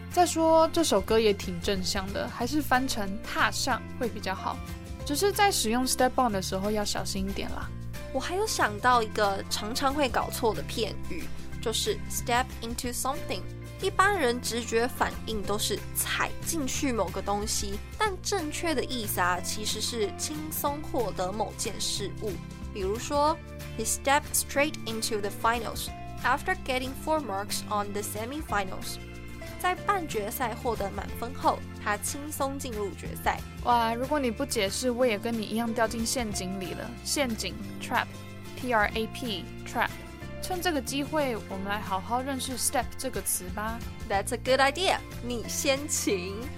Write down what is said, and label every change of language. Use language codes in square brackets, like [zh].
[zh] 再说这首歌也挺正向的，还是翻成踏上会比较好，只是在使用 step on 的时候要小心一点啦。我还有想到一个常常会搞错的片语，就是 step into something。一般人直觉反应都是踩进去某个东西，但正确的意思啊，其实是轻松获得某件事物。比如说 [en] he stepped straight into the finals after getting 4 marks on the semifinals。 [zh] 在半决赛获得满分后，他轻松进入决赛。哇，如果你不解释，我也跟你一样掉进陷阱里了。陷阱 trap， T R A P trap。趁这个机会，我们来好好认识 step 这个词吧。 [en] That's a good idea。 [zh] 你先请。